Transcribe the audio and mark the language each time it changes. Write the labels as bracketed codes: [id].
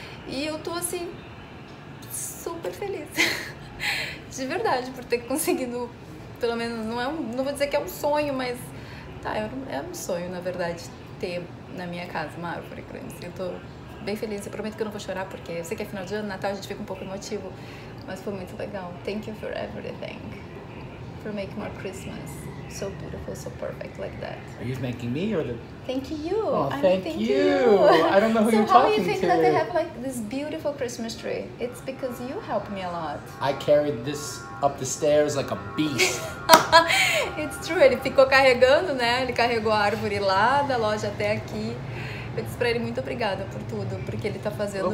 [pt] E eu tô assim, super feliz, de verdade, por ter conseguido, pelo menos, não vou dizer que é um sonho, mas tá, é um sonho, na verdade, ter na minha casa uma árvore grande. Eu tô bem feliz, eu prometo que eu não vou chorar, porque eu sei que é final de ano, Natal, a gente fica um pouco emotivo, mas foi muito legal. [en] Thank you for everything, for making more Christmas so beautiful, so perfect like that. Are you thanking me or the... Thank you. Oh, thank you. I don't know who so you're talking to. So how do you think that they have like this beautiful Christmas tree? It's because you helped me a lot. I carried this up the stairs like a beast. It's true. [pt] Ele ficou carregando, né? Ele carregou a árvore lá da loja até aqui. Eu disse pra ele muito obrigada por tudo, porque ele tá fazendo...